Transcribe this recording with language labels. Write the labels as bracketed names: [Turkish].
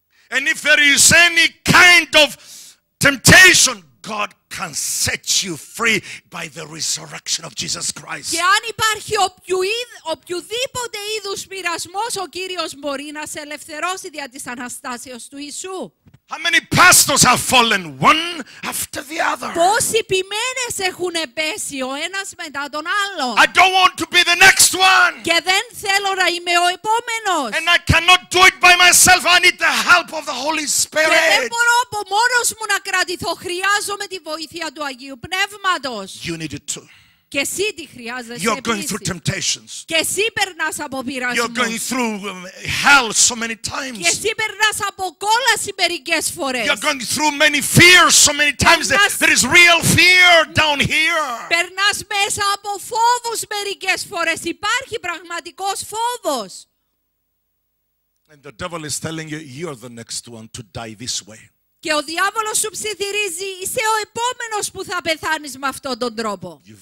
[English] And if there is any kind of temptation, God can set you free by the resurrection of Jesus Christ. [Greek] Και αν υπάρχει οποιουδήποτε είδους πειρασμός, ο Κύριος μπορεί να σε ελευθερώσει δια της Αναστάσεως του Ιησού. [English] How many pastors have fallen one after the other? [Greek] Πόσοι ποιμένες έχουν πέσει ο ένας μετά τον άλλο. [English] I don't want to be the next one. [Greek] Και δεν θέλω να είμαι ο επόμενος. [English] And I cannot do it by myself. I need the help of the Holy Spirit. [Greek] Και δεν μπορώ από μόνος μου να κρατηθώ. Χρειάζομαι τη βοήθεια του Αγίου Πνεύματος. [English] You need it too. [Greek] Και εσύ τι χρειάζεσαι επίσης. [English] You're going through temptations. [Greek] Και εσύ περνάς από πειρασμούς. [English] You're going through hell so many times. [Greek] Και εσύ περνάς από κόλαση μερικές φορές. [English] You're going through many fears so many times. There is real fear down here. [Greek] Περνάς μέσα από φόβους μερικές φορές. Υπάρχει πραγματικός φόβος. [English] And the devil is telling you, you're the next one to die this way. [Greek] Και ο διάβολος σου ψιθυρίζει, είσαι ο επόμενος που θα πεθάνεις με αυτόν τον τρόπο.